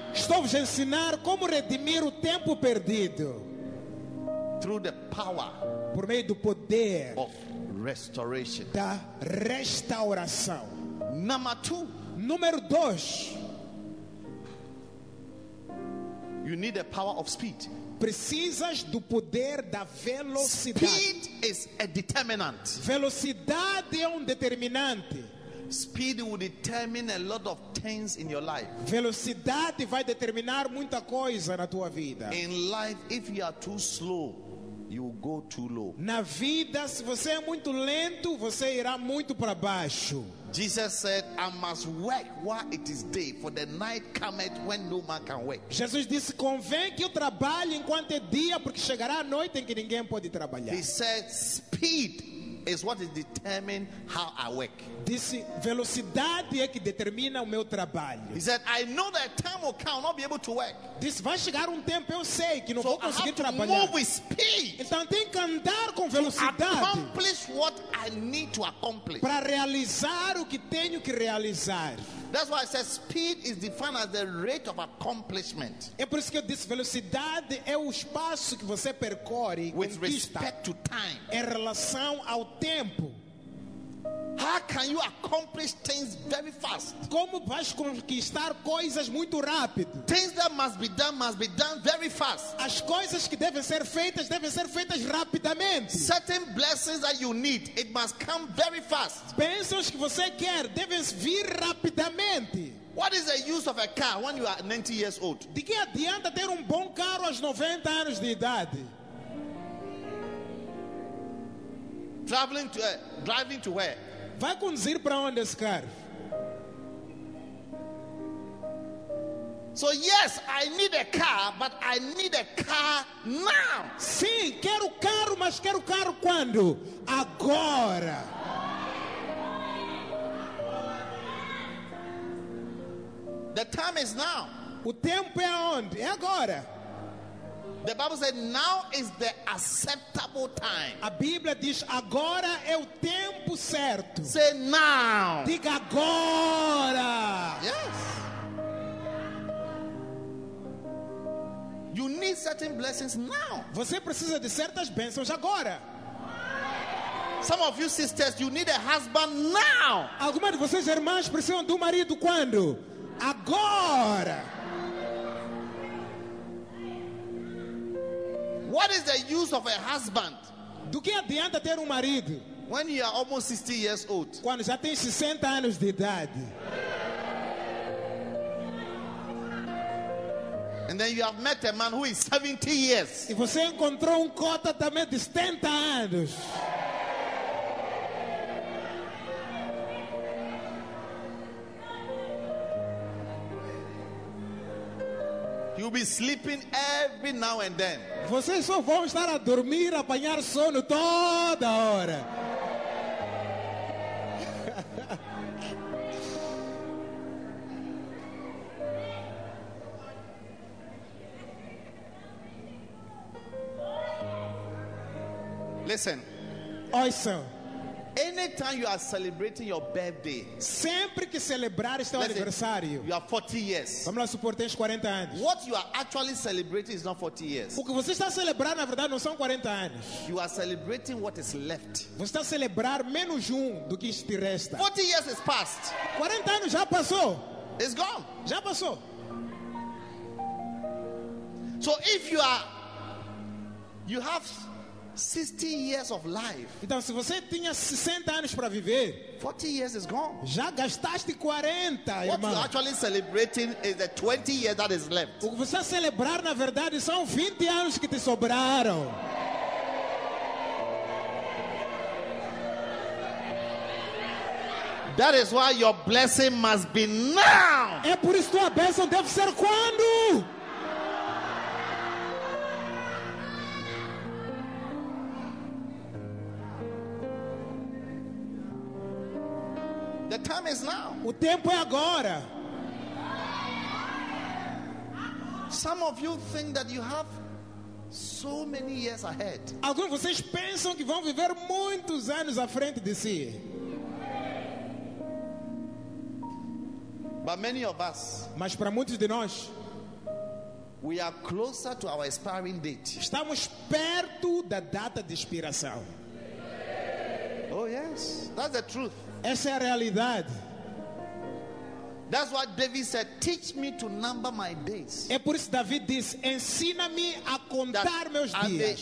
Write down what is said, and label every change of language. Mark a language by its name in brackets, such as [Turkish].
[Portuguese] Estou vos ensinar como redimir o tempo perdido. [English] Through the power. [Portuguese] Por meio do poder [English] of restoration. [Portuguese] Da restauração. [English] Number two. [Portuguese] Número dois. [English] You need the power of speed. [Portuguese] Precisas do poder da velocidade. [English] Speed is a determinant. [Portuguese] Velocidade é determinante. [English] Speed will determine a lot of things in your life. [Portuguese] Velocidade vai determinar muita coisa na tua vida. [English] In life, if you are too slow, you will go too low. [Portuguese] Na vida, se você é muito lento, você irá muito para baixo. [English] Jesus said, I must work while it is day, for the night cometh when no man can work. [Portuguese] Jesus disse, convém que eu trabalhe enquanto é dia, porque chegará a noite em que ninguém pode trabalhar. [English] He said, speed is what is determine how I work. [Portuguese] Disse, velocidade é que determina o meu trabalho. [English] He said, I know that time will come, I'll not be able to work. [Portuguese] Disse, vai chegar tempo, eu sei que não so vou conseguir trabalhar. [English] Move with speed. [Portuguese] Então tem que andar com velocidade. [English] To accomplish what I need to accomplish. [Portuguese] Para realizar o que tenho que realizar. [English] That's why I said speed is defined as the rate of accomplishment. [Portuguese] É por isso que eu disse, velocidade é o espaço que você percorre [English] with respect to time. [Portuguese] Em relação ao tempo. [English] How can you accomplish things very fast? [Portuguese] Como vais conquistar coisas muito rápido? [English] Things that must be done very fast. [Portuguese] As coisas que devem ser feitas rapidamente. [English] Certain blessings that you need, it must come very fast. [Portuguese] Bênçãos que você quer devem vir rapidamente. [English] What is the use of a car when you are 90 years old? [Portuguese] De que adianta ter bom carro aos 90 anos de idade? [English] Traveling to driving to where? [Portuguese] Vai conduzir para onde esse carro? [English] So yes, I need a car, but I need a car now. [Portuguese] Sim, quero carro, mas quero carro quando? Agora. [English] The time is now. [Portuguese] O tempo é onde? É agora. [English] The Bible said, "Now is the acceptable time." [Portuguese] A Bíblia diz, agora é o tempo certo. [English] Say now. [Portuguese] Diga agora. [English] Yes. You need certain blessings now. [Portuguese] Você precisa de certas bênçãos agora. [English] Some of you sisters, you need a husband now. [Portuguese] Algumas de vocês irmãs precisam de marido quando? Agora. [English] What is the use of a husband? [Portuguese] Do que adianta ter marido? [English] When you are almost 60 years old. [Portuguese] Quando já tem 60 anos de idade. [English] And then you have met a man who is 70 years. [Portuguese] E você encontrou cota também de 70 anos. [English] You'll be sleeping every now and then. [Portuguese] Vocês só vão estar a dormir, a apanhar sono toda hora. [English] Listen. [Portuguese] Ouça. [English] Anytime you are celebrating your birthday, [Portuguese] sempre que celebrar este aniversário, [English] you are 40 years. [Portuguese] Vamos lá supor, tens 40 anos. [English] What you are actually celebrating is not 40 years. [Portuguese] O que você está celebrando na verdade não são 40 anos. [English] You are celebrating what is left. [Portuguese] Você está celebrar menos um do que te resta. [English] 40 years has passed. [Portuguese] 40 anos já passou. [English] It's gone. [Portuguese] Já passou. [English] So if you are, you have 60 years of life. [Portuguese] Então, se você tinha 60 anos para viver, [English] 40 years is gone. [Portuguese] Já gastaste 40, irmão. [English] What you're actually celebrating is the 20 years that is left. [Portuguese] O que você está celebrando, na verdade, são 20 anos que te sobraram. [English] That is why your blessing must be now. [Portuguese] É por isso que tua bênção deve ser quando? [English] The time is now. [Portuguese] O tempo é agora. [English] Some of you think that you have so many years ahead. [Portuguese] Alguns de vocês pensam que vão viver muitos anos à frente de si. [English] But many of us, [Portuguese] mas para muitos de nós, [English] we are closer to our expiring date. [Portuguese] Estamos perto da data de expiração. [English] Oh yes, that's the truth. [Portuguese] Essa é a realidade. [English] That's what David said, teach me to number my days. [Portuguese] É por isso que Davi disse, ensina-me a contar meus dias.